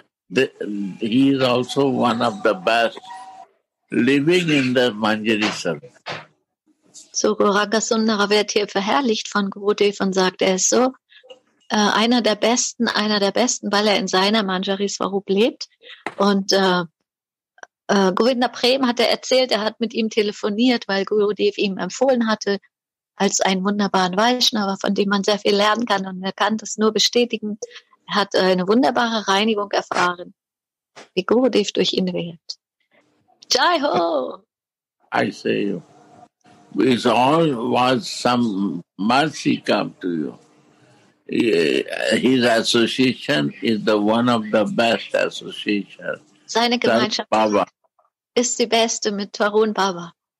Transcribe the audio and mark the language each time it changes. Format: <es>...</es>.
<en>He is also one of the best living in the Manjari Sabha.</en> <de>So Gauranga Sundara wird hier verherrlicht von Gurudev und sagt, er ist so einer der Besten, weil er in seiner Manjari Swarup lebt. Und Govinda Prem hatte erzählt, er hat mit ihm telefoniert, weil Gurudev ihm empfohlen hatte, als einen wunderbaren Vaishnava, von dem man sehr viel lernen kann. Und er kann das nur bestätigen. Er hat eine wunderbare Reinigung erfahren, wie Gurudev durch ihn wirkt.</de> <hi>Jai Ho!</hi> <en>I say you. It's all was some mercy come to you. His association is the one of the best associations.</en> <de>Seine Gemeinschaft ist die beste mit Tarun Baba.</de>